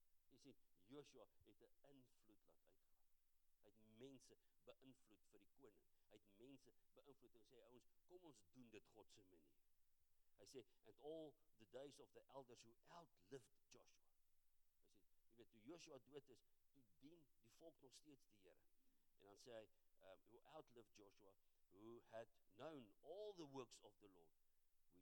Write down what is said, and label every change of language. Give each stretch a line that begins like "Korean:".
Afrikaans: Jy sê, Joshua het 'n invloed laat uitgaan. Hy het mense beïnvloed vir die koning. Hy het mense beïnvloed en sê, ouens, kom ons doen dit God se manier.
English: Hy sê, and all the days of the elders who outlived Joshua.
Afrikaans: Hy sê, jy weet, toe Joshua dood is, toe dien die volk nog steeds die Here.
English: En dan sê hy, who outlived Joshua, who had known all the works of the Lord, we